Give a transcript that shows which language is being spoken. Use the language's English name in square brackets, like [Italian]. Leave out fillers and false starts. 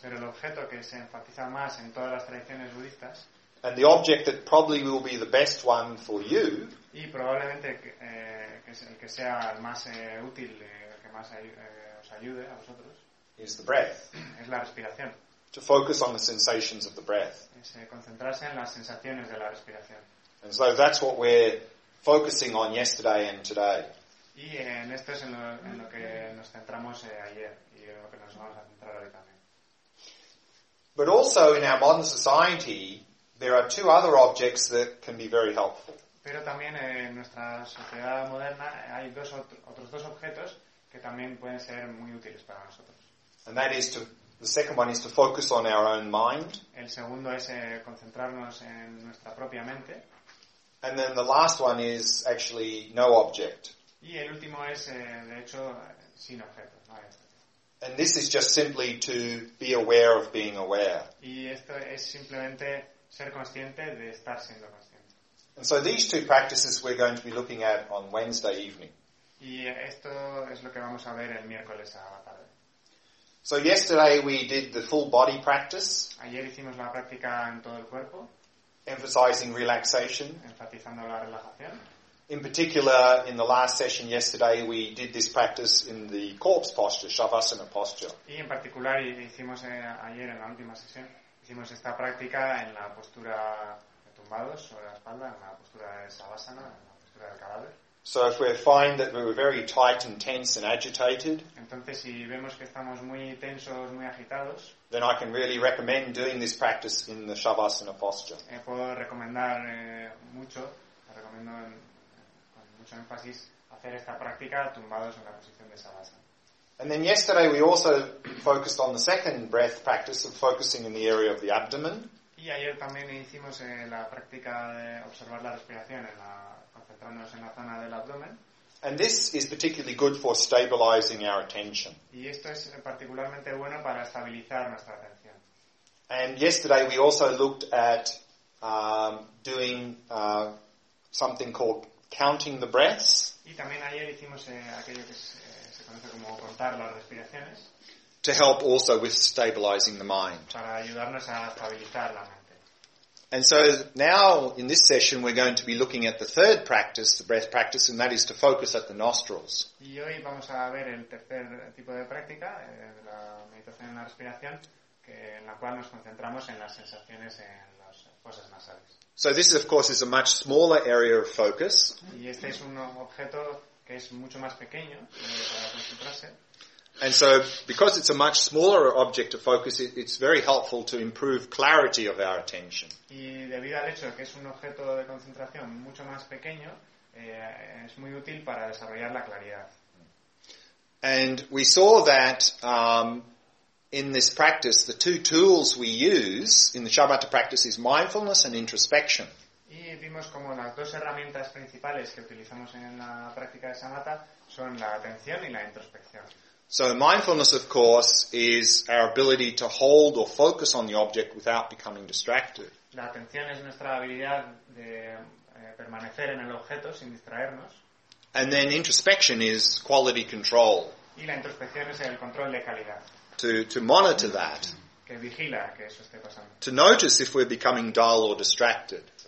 [Spanish] pero el objeto que se enfatiza más en todas las tradiciones budistas, [English] and the object that probably will be the best one for you, [Spanish] y probablemente el que sea el más útil, el que más os ayude a vosotros, [English] is the breath. [Spanish] Es la respiración. [English] To focus on the sensations of the breath. [Spanish] Es concentrarse en las sensaciones de la respiración. [English] And so that's what we're focusing on yesterday and today. [Spanish] Y en esto es en lo que nos centramos ayer y en lo que nos vamos a centrar hoy también. [English] But also in our modern society there are two other objects that can be very helpful. [Spanish] Pero también en nuestra sociedad moderna hay otros dos objetos que también pueden ser muy útiles para nosotros. [English] And that is to, the second one is to focus on our own mind. [Spanish] El segundo es concentrarnos en nuestra propia mente. [English] And then the last one is actually no object. [Spanish] Y el último es, de hecho, sin objeto. No hay objeto. [English] And this is just simply to be aware of being aware. [Spanish] Y esto es simplemente ser consciente de estar siendo consciente. [English] And so these two practices we're going to be looking at on Wednesday evening. [Spanish] Y esto es lo que vamos a ver el miércoles a la tarde. [English] So yesterday we did the full body practice. [Spanish] Ayer hicimos la práctica en todo el cuerpo. [English] Emphasizing relaxation. [Spanish] Enfatizando la relajación. [English] In particular, in the last session yesterday, we did this practice in the corpse posture, Shavasana posture. [Spanish] Y en particular, hicimos ayer en la última sesión, hicimos esta práctica en la postura de tumbados sobre la espalda, en la postura de Shavasana, en la postura del cadáver. [English] So if we find that we were very tight and tense and agitated, [Spanish] entonces si vemos que estamos muy tensos, muy agitados, [English] then I can really recommend doing this practice in the Shavasana posture. [Spanish] Puedo recomendar mucho, te recomiendo en mucho énfasis hacer esta práctica tumbados en la posición de Shavasana. [English] And then yesterday we also focused on the second breath practice of focusing in the area of the abdomen. [Spanish] Y ayer también hicimos la práctica de observar la respiración, concentrándonos en la zona del abdomen. [English] And this is particularly good for stabilizing our attention. [Spanish] Y esto es particularmente bueno para estabilizar nuestra atención. [English] And yesterday we also looked at doing something called counting the breaths. [Spanish] Y también ayer hicimos aquello que se conoce como contar las respiraciones. [English] To help also with stabilizing the mind. [Spanish] Para ayudarnos a estabilizar la mente. [English] And so now in this session we're going to be looking at the third practice, the breath practice, and that is to focus at the nostrils. [Spanish] Y hoy vamos a ver el tercer tipo de práctica, la meditación en la respiración, en la cual nos concentramos en las sensaciones en las fosas nasales. [English] So this of course is a much smaller area of focus. [Spanish] Y este es un objeto que es mucho más pequeño para concentrarse. [English] And so because it's a much smaller object to focus, it's very helpful to improve clarity of our attention. [Spanish] Y debido al hecho que es un objeto de concentración mucho más pequeño, es muy útil para desarrollar la claridad. [English] And we saw that in this practice, the two tools we use in the shamatha practice is mindfulness and introspection. [Spanish] Y vimos como las dos herramientas principales que utilizamos en la práctica de shamatha son la atención y la introspección. [English] So mindfulness, of course, is our ability to hold or focus on the object without becoming distracted. [Spanish] La atención es nuestra habilidad de permanecer en el objeto sin distraernos. [English] And then introspection is quality control. [Spanish] Y la introspección es el control de calidad. [English] To monitor that. [Spanish] Que vigila que eso esté pasando. [English] To notice if we're becoming dull or distracted.